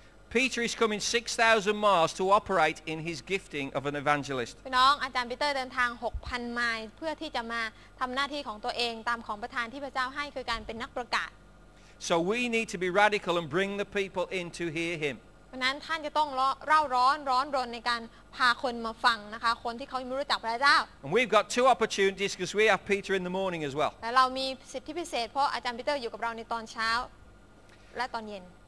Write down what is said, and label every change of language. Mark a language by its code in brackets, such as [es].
[en] Peter is coming 6,000 miles to operate in his gifting of an evangelist. [th] พี่น้องอาจารย์ปีเตอร์เดินทาง 6,000 ไมล์เพื่อที่จะมาทําหน้าที่ของตัวเองตามของประทานที่พระเจ้าให้คือการเป็นนักประกาศ [en] So we need to be radical and bring the people in to hear him. [th] เพราะนั้นท่านจะต้องร้าวร้อนร้อนรนในการพาคนมาฟังนะคะคนที่เขาไม่รู้จักพระเจ้า [en] And we've got two opportunities because we have Peter in the morning as well. [th] แล้วเรามีสิทธิพิเศษเพราะอาจารย์ปีเตอร์อยู่กับเราในตอนเช้าและตอนเย็น